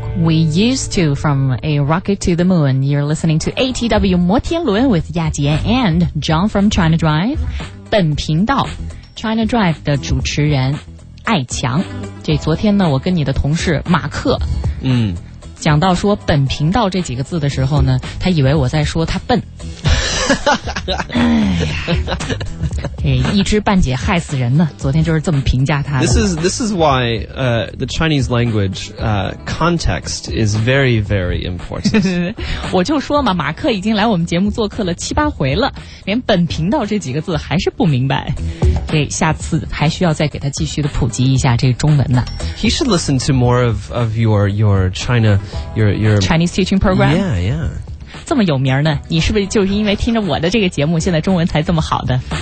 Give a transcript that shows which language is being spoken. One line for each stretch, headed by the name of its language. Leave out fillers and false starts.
English: Used to from A Rocket to the Moon. You're listening to ATW 摩天轮 with Ya Jie and John from China Drive.
Chinese: 本频道 China Drive 的主持人艾强。这昨天呢，我跟你的同事马克，讲到说本频道这几个字的时候呢，他以为我在说他笨。哎呀，一知半解害死人呢，昨天就是这么评价他的。
English: This is why the Chinese language context is very, very important.
Chinese: 我就说嘛，马克已经来我们节目做客了七八回了，连本频道这几个字还是不明白。对，下次还需要再给他继续的普及一下这个中文呢。
English: He should listen to more of your China, your Chinese teaching program. Yeah, yeah.
Chinese: 这么有名呢，你是不是就是因为听着我的这个节目，现在中文才这么好的